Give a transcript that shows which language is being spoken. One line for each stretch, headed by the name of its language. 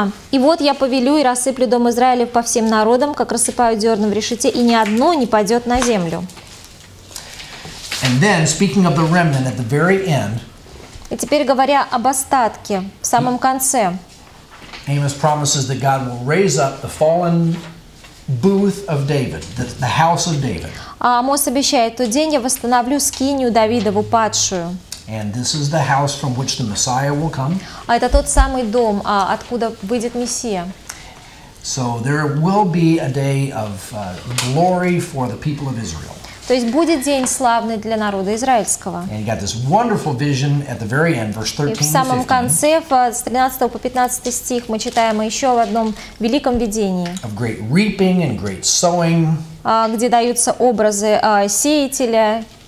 Russian: И вот я повелю и рассыплю дом Израиля по всем народам, как рассыпают зерна в решете, и ни одно не падет на землю.
English: And then, speaking of the remnant at the very end,
Russian: и теперь говоря об остатке в самом конце,
English: Amos promises that God will raise up the fallen booth of David, the house of David.
Russian: Амос обещает, тот день я восстановлю скинию Давидову падшую.
English: And this is the house from which the Messiah will come.
Russian: Это тот самый дом, откуда выйдет Мессия.
English: So there will be a day of glory for the people of Israel.
Russian: То есть будет день славный для народа израильского.
English: And you got this wonderful vision at the very end, verse 13-15.
Russian: И в самом конце, с 13 по 15 стих, мы читаем еще в одном великом видении.
English: Of great reaping and great sowing.
Russian: Где даются образы сеятеля.